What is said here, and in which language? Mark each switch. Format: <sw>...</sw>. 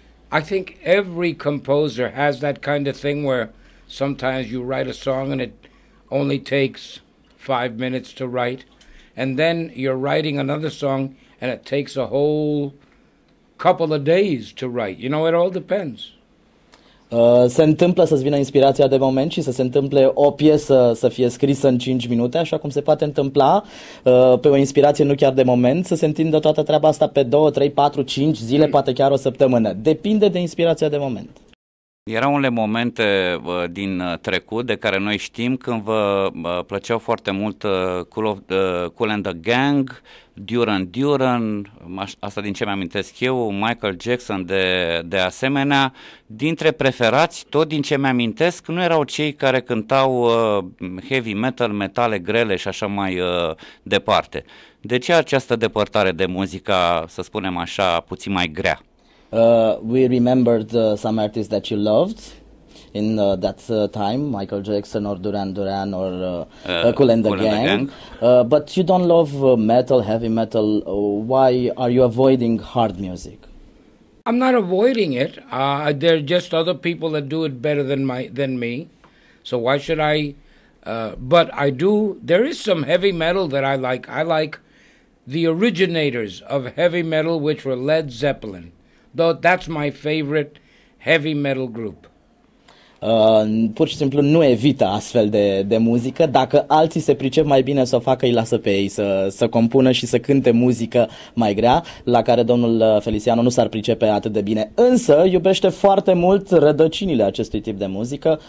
<en>I think every composer has that kind of thing where sometimes you write a song and it only takes 5 minutes to write, and then you're writing another song and it takes a whole couple of days to write. You know, it all depends.</en> <ro>Se întâmplă să-ți vină inspirația de moment și să se întâmple o piesă să fie scrisă în 5 minute, așa cum se poate întâmpla pe o inspirație nu chiar de moment, să se întindă toată treaba asta pe 2, 3, 4, 5 zile, poate chiar o săptămână. Depinde de inspirația de moment. Erau unele momente din trecut de care noi știm când vă plăceau foarte mult Cool and the Gang, Duran Duran, asta din ce mi-amintesc eu, Michael Jackson de asemenea. Dintre preferați, tot din ce mi-amintesc, nu erau cei care cântau heavy metal, metale grele și așa mai departe. De ce această depărtare de muzica, să spunem așa, puțin mai grea?</ro> <en>We remembered some artists that you loved in that time, Michael Jackson or Duran Duran or Kool and the Gang. But you don't love metal, heavy metal. Why are you avoiding hard music? I'm not avoiding it. There are just other people that do it better than me. So why should I? But I do. There is some heavy metal that I like. I like the originators of heavy metal, which were Led Zeppelin. Though that's my favorite heavy metal group.</en> <ro>Pur și simplu nu evită astfel de muzică. Dacă alții se pricep mai bine să o facă, îi lasă pe ei să compună și să cânte muzică mai grea, la care domnul Feliciano nu s-ar pricepe atât de bine. Însă iubește foarte mult rădăcinile acestui tip de muzică.</ro>